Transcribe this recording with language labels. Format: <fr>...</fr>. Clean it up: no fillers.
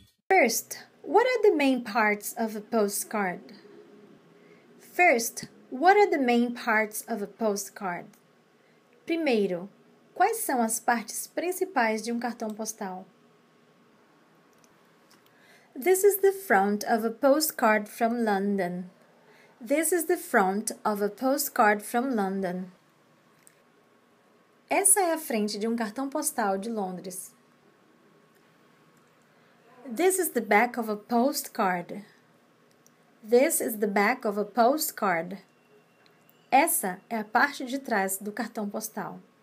<en>First, what are the main parts of a postcard? First, what are the main parts of a postcard?</en> <pt>Primeiro, quais são as partes principais de um cartão postal?</pt> <en>This is the front of a postcard from London. This is the front of a postcard from London.</en> <pt>Essa é a frente de um cartão postal de Londres.</pt> <en>This is the back of a postcard. This is the back of a postcard.</en> <pt>Essa é a parte de trás do cartão postal.</pt>